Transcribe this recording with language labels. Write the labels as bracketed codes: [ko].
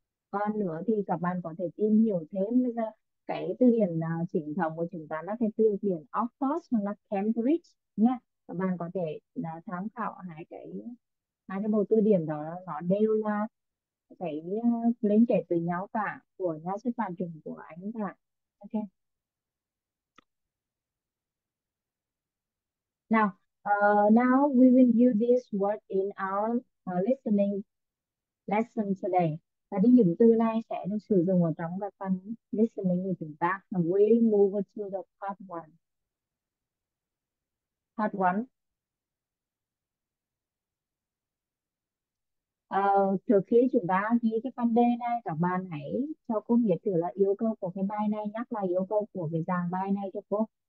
[vi] Còn nữa thì các bạn có thể tìm hiểu thêm cái từ điển chính thống của chúng ta là cái từ điển Oxford hoặc là Cambridge nha. Các bạn có thể tham khảo hai cái bộ từ điển đó, nó đều là cái liên kể từ nhau cả, của nhà xuất bản chuẩn của anh cả. [en] Ok nào, now we will use this word in our listening lesson today. [vi] Và những dụng từ này sẽ được sử dụng ở trong bài phần listening của chúng ta. [en] And we move to the part one. Part one. [vi] Trước khi chúng ta ghi cái vấn đề này, các bạn hãy cho cô biết thử là yêu cầu của cái bài này, nhắc lại yêu cầu của cái dạng bài này cho cô.